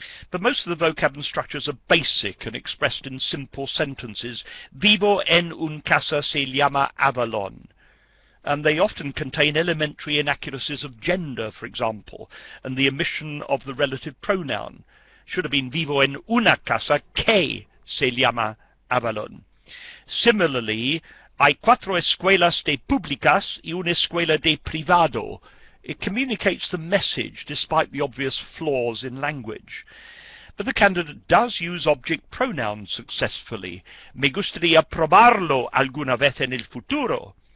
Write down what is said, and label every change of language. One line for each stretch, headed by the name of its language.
English: But most of the vocab and structures are basic and expressed in simple sentences.
Spanish: Vivo en un casa se llama Avalon.
English: And they often contain elementary inaccuracies of gender, for example, and the omission of the relative pronoun. Should have been
Spanish: vivo en una casa que se llama Avalon.
English: Similarly,
Spanish: hay cuatro escuelas de públicas y una escuela de privado.
English: It communicates the message despite the obvious flaws in language. But the candidate does use object pronouns successfully.
Spanish: Me gustaría probarlo alguna vez en el futuro.